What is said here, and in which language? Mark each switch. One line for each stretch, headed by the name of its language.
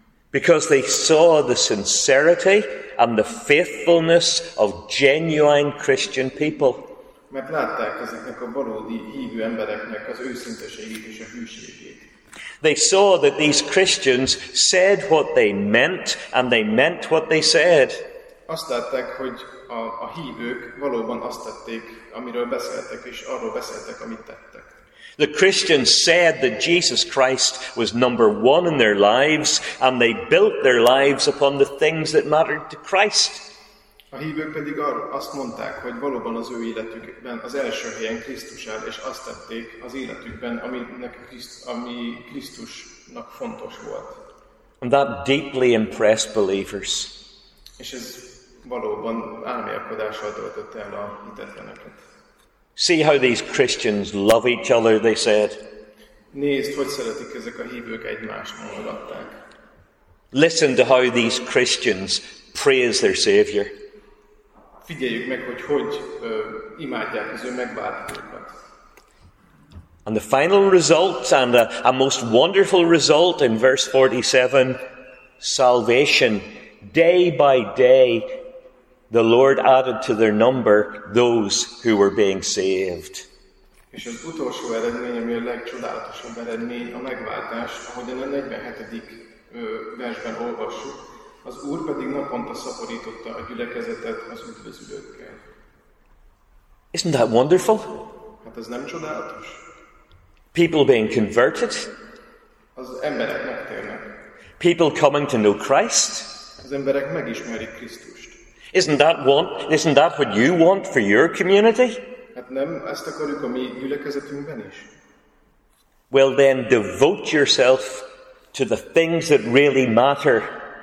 English: Because they saw the sincerity and the faithfulness of genuine Christian people.
Hungarian: Mert látták ezeknek a valódi hívő embereknek az őszinteségét és a hűségét.
English: They saw that these Christians said what they meant, and they meant what they said.
Hungarian: Azt látták, hogy a hívők valóban azt tették, amiről beszéltek, és arról beszéltek, amit tettek.
English: The Christians said that Jesus Christ was number one in their lives, and they built their lives upon the things that mattered to Christ.
Hungarian: A hívők pedig azt mondták, hogy valóban az ő életükben az első helyen Krisztus áll, és azt tették az életükben, ami Krisztusnak fontos volt.
English: And that deeply impressed believers.
Hungarian: És ez valóban álmélkodással töltötte el a hitetleneket.
English: See how these Christians love each other, they said.
Hungarian: Nézd, hogy szeretik ezek a hívők egymást, mondogatták.
English: Listen to how these Christians praise their Savior.
Hungarian: Figyeljük meg, hogy imádják az ő megváltójukat.
English: And the final result, and a most wonderful result in verse 47, salvation. Day by day, the Lord added to their number those who were being saved.
Hungarian: És az utolsó eredmény, ami a legcsodálatosabb eredmény, a megváltás, ahogyan a 47. versben olvassuk, az Úr pedig naponta szaporította a gyülekezetet az üdvözülőkkel.
English: Isn't that wonderful?
Hungarian: Hát ez nem csodálatos?
English: People being converted?
Hungarian: Az emberek megtérnek.
English: People coming to know Christ?
Hungarian: Az emberek megismerik Krisztust.
English: Isn't that what you want for your community?
Hungarian: Hát nem, ezt akarjuk a mi gyülekezetünkben is.
English: Well then, devote yourself to the things that really matter.